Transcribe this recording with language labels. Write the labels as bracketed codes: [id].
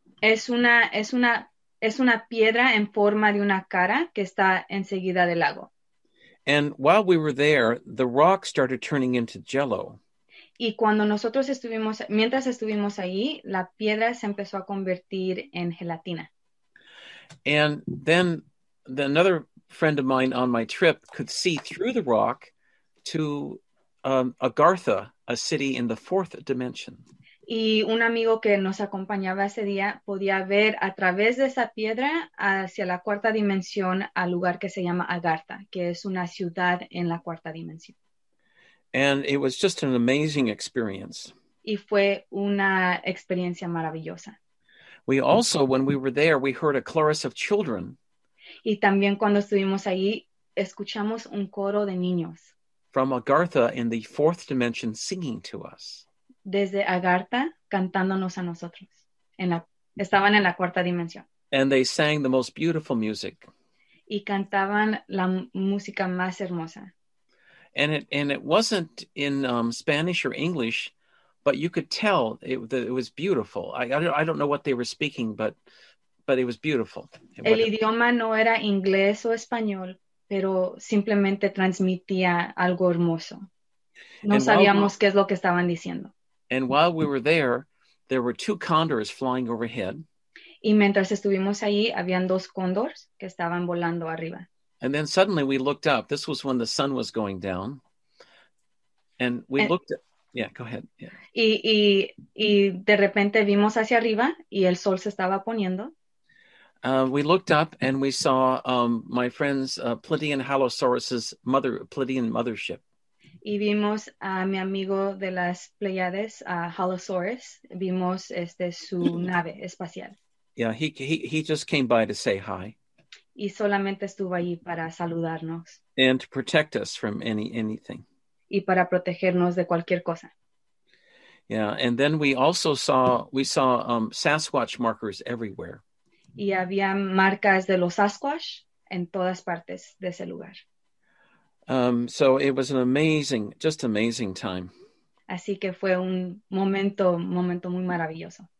[es] Es una piedra en forma de una cara que está enseguida del lago. [en] And while we were there, the rock started turning into jello. [es] Y cuando nosotros estuvimos, mientras estuvimos allí, la piedra se empezó a convertir en gelatina. [en] And then another friend of mine on my trip could see through the rock to Agartha, a city in the fourth dimension. [es] Y un amigo que nos acompañaba ese día podía ver a través de esa piedra hacia la cuarta dimensión al lugar que se llama Agartha, que es una ciudad en la cuarta dimensión. [en] And it was just an amazing experience. [es] Y fue una experiencia maravillosa. [en] We also, when we were there, we heard a chorus of children. [es] Y también cuando estuvimos ahí, escuchamos un coro de niños. [en] From Agartha in the fourth dimension singing to us. [es] Desde Agartha cantándonos a nosotros. Estaban en la cuarta dimensión. [en] And they sang the most beautiful music. [es] Y cantaban la música más hermosa. [en] And it wasn't in Spanish or English, but you could tell it was beautiful. I don't know what they were speaking, but it was beautiful. [es] El idioma no era inglés o español, pero simplemente transmitía algo hermoso. No sabíamos qué es lo que estaban diciendo. [en] And while we were there, there were two condors flying overhead. [es] Y mientras estuvimos ahí, habían dos cóndores que estaban volando arriba. [en] And then suddenly we looked up. This was when the sun was going down. And go ahead. Yeah. [es] Y de repente vimos hacia arriba y el sol se estaba poniendo. [en] We looked up and we saw my friend's Plitian Halosaurus's mother, Plitian mothership. [es] Y vimos a mi amigo de las Pleiades, Halosaurus. Vimos su nave espacial. [en] Yeah, he just came by to say hi. [es] Y solamente estuvo allí para saludarnos. [en] And to protect us from anything. [es] Y para protegernos de cualquier cosa. [en] Yeah, and then we also saw Sasquatch markers everywhere. [es] Y había marcas de los Sasquatch en todas partes de ese lugar. [en] So it was an amazing, just amazing time. [es] Así que fue un momento muy maravilloso.